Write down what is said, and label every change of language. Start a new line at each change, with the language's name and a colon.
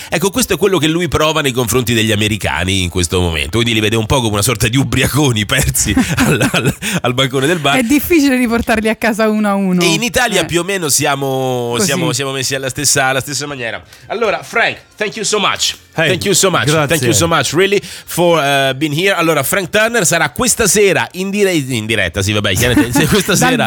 Italian: Ecco, questo è quello che lui prova nei confronti degli americani in questo momento, quindi li vede un po' come una sorta di ubriaconi persi al balcone del bar. È difficile riportarli a casa uno a uno. E in Italia più o meno siamo messi alla stessa maniera. Allora,
English: Frank, thank you so much. Hey, thank you so much.
Italian: Grazie.
English: Thank you so much, really, for being here.
Italian: Allora, Frank Turner sarà questa sera in diretta, sì, vabbè, chiaramente questa sera